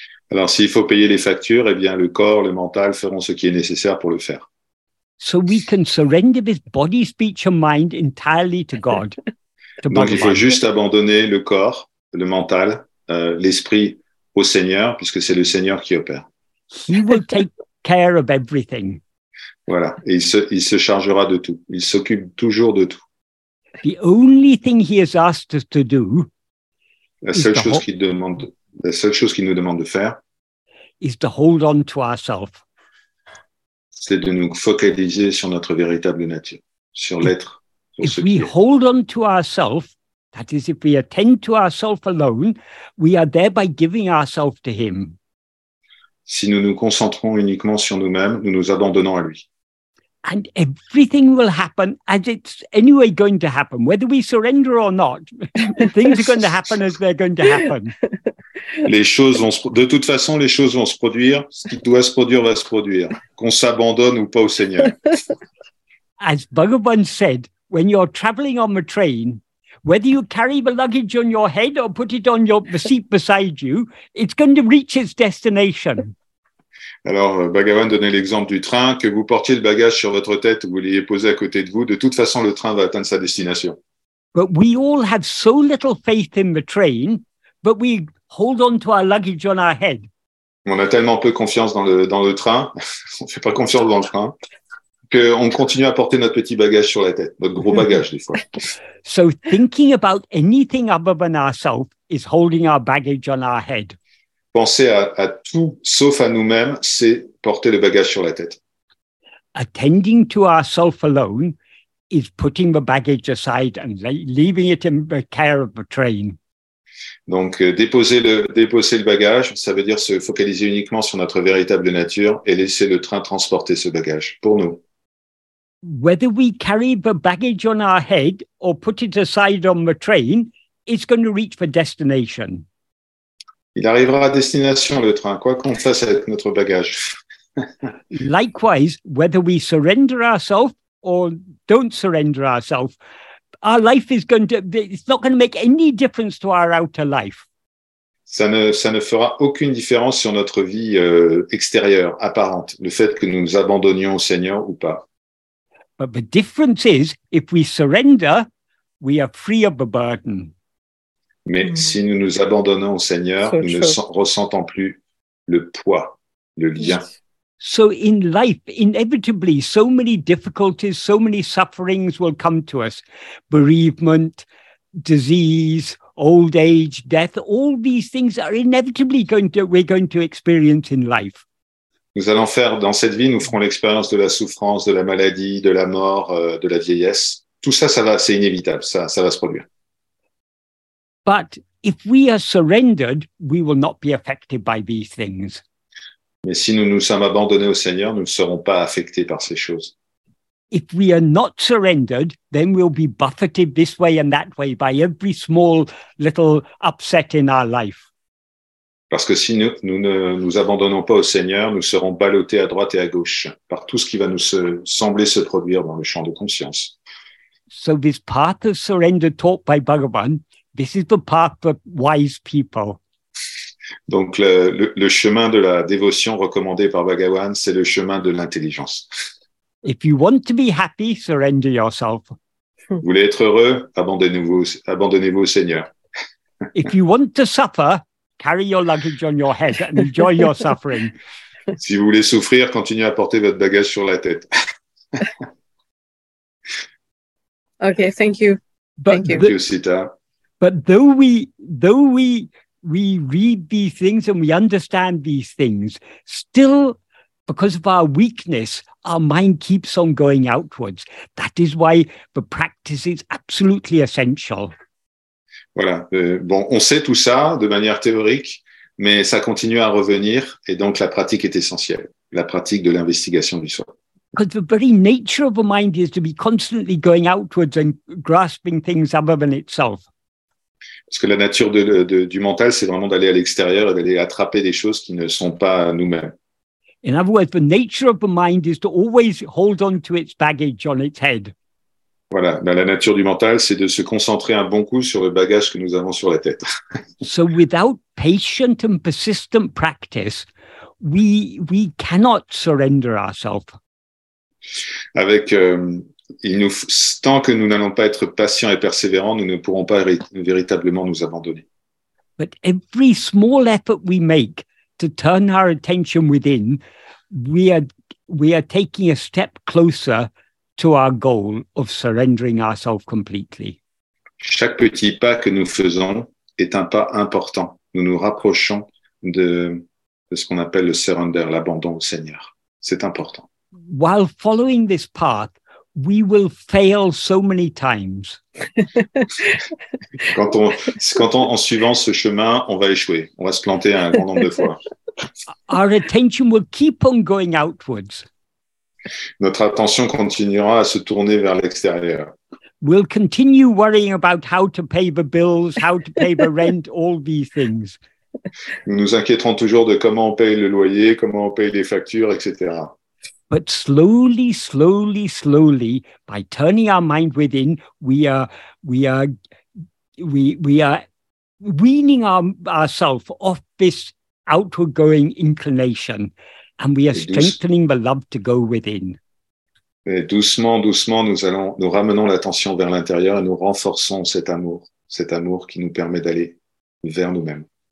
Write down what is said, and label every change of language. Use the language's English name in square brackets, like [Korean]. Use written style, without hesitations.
[French] Alors, s'il faut payer les factures, eh bien, le corps, le mental feront ce qui est nécessaire pour le faire. [English] So we can surrender this body, speech, and mind entirely to God. To [French] Donc, il faut juste abandonner le corps, le mental, l'esprit au Seigneur, puisque c'est le Seigneur qui opère. [English] He will take care of everything. [French] Voilà, et il se chargera de tout. Il s'occupe toujours de tout. [English] The only thing he has asked us to do. [French] La seule chose qu'il nous demande de faire. [English] Is to hold on to ourselves. [French] C'est de nous focaliser sur notre véritable nature, sur l'être. [English] If we hold on to ourselves, that is, if we attend to ourselves alone, we are thereby giving ourselves to him. [French] Si nous nous concentrons uniquement sur nous-mêmes, nous nous abandonnons à lui. [English] And everything will happen as it's anyway going to happen, whether we surrender or not. Things are going to happen as they're going to happen. [French] De toute façon, les choses vont se produire. Ce qui doit se produire va se produire, qu'on s'abandonne ou pas au Seigneur. [English] As Bhagavan said, when you're traveling on the train, whether you carry the luggage on your head or put it on the seat beside you, it's going to reach its destination. [French] Alors, Bhagavan donnait l'exemple du train, que vous portiez le bagage sur votre tête ou vous l'ayez posé à côté de vous, de toute façon, le train va atteindre sa destination. [English] But we all have so little faith in the train, but we hold on to our luggage on our head. [French] On a tellement peu confiance dans le train, on ne fait pas confiance dans le train, qu'on continue à porter notre petit bagage sur la tête, notre gros bagage des fois. [English] So thinking about anything other than ourselves is holding our baggage on our head. [French] Penser à tout sauf à nous-mêmes, c'est porter le bagage sur la tête. [English] Attending to ourselves alone is putting the baggage aside and leaving it in the care of the train. [French] Donc, déposer le bagage, ça veut dire se focaliser uniquement sur notre véritable nature et laisser le train transporter ce bagage pour nous. [English] Whether we carry the baggage on our head or put it aside on the train, it's going to reach the destination. [French] Il arrivera à destination le train, quoi qu'on fasse avec notre bagage. [English] Likewise, whether we surrender ourselves or don't surrender ourselves, our life is going to, it's not going to make any difference to our outer life. [French] Ça ne fera aucune différence sur notre vie extérieure, apparente, le fait que nous abandonnions au Seigneur ou pas. [English] But the difference is, if we surrender, we are free of the burden. [French] Mais si nous nous abandonnons au Seigneur, nous ne ressentons plus le poids, le lien. [English] So in life, inevitably, so many difficulties, so many sufferings will come to us. Bereavement, disease, old age, death, all these things are inevitably we're going to experience in life. [French] Nous allons faire, dans cette vie, nous ferons l'expérience de la souffrance, de la maladie, de la mort, de la vieillesse. Tout ça, c'est inévitable, ça va se produire. [English] But if we are surrendered, we will not be affected by these things. [French] Mais si nous nous sommes abandonnés au Seigneur, nous ne serons pas affectés par ces choses. [English] If we are not surrendered, then we'll be buffeted this way and that way by every small little upset in our life. [French] Parce que si nous ne nous abandonnons pas au Seigneur, nous serons ballottés à droite et à gauche par tout ce qui va sembler se produire dans le champ de conscience. [English] So this path of surrender taught by Bhagavan, this is the path for wise people. [French] Donc le chemin de la dévotion recommandé par Bhagavan, c'est le chemin de l'intelligence. [English] If you want to be happy, surrender yourself. [French] Vous voulez être heureux, abandonnez-vous au Seigneur. [English] If you want to suffer, carry your luggage on your head and enjoy your suffering. [French] Si vous voulez souffrir, continuez à porter votre bagage sur la tête. [English] Okay, thank you. Thank you, Sita. But But though we read these things and we understand these things, still, because of our weakness, our mind keeps on going outwards. That is why the practice is absolutely essential. [French] Voilà. Bon, on sait tout ça de manière théorique, mais ça continue à revenir, et donc la pratique est essentielle, la pratique de l'investigation du soi. [English] Because the very nature of the mind is to be constantly going outwards and grasping things other than itself. [French] Parce que la nature du mental, c'est vraiment d'aller à l'extérieur et d'aller attraper des choses qui ne sont pas nous-mêmes. [English] In other words, the nature of the mind is to always hold on to its baggage on its head. [French] Voilà, la nature du mental, c'est de se concentrer un bon coup sur le bagage que nous avons sur la tête. [English] So without patient and persistent practice, we cannot surrender ourselves. [French] Avec, tant que nous n'allons pas être patients et persévérants, nous ne pourrons pas véritablement nous abandonner. [English] But every small effort we make to turn our attention within, we are taking a step closer to our goal of surrendering ourselves completely. [French] Chaque petit pas que nous faisons est un pas important. Nous nous rapprochons de ce qu'on appelle le surrender, l'abandon au Seigneur. C'est important. [English] While following this path, we will fail so many times. [French] En suivant ce chemin, on va échouer. On va se planter un grand nombre de fois. [English] Our attention will keep on going outwards. [French] Notre attention continuera à se tourner vers l'extérieur. [English] We'll continue worrying about how to pay the bills, how to pay the rent, all these things. [French] Nous nous inquiéterons toujours de comment on paye le loyer, comment on paye les factures, etc. [English] But slowly, slowly, slowly, by turning our mind within, we are weaning ourselves off this outward going inclination, and we are strengthening the love to go within. [French] Et doucement, doucement, nous ramenons l'attention vers l'intérieur et nous renforçons cet amour qui nous permet d'aller vers nous-mêmes.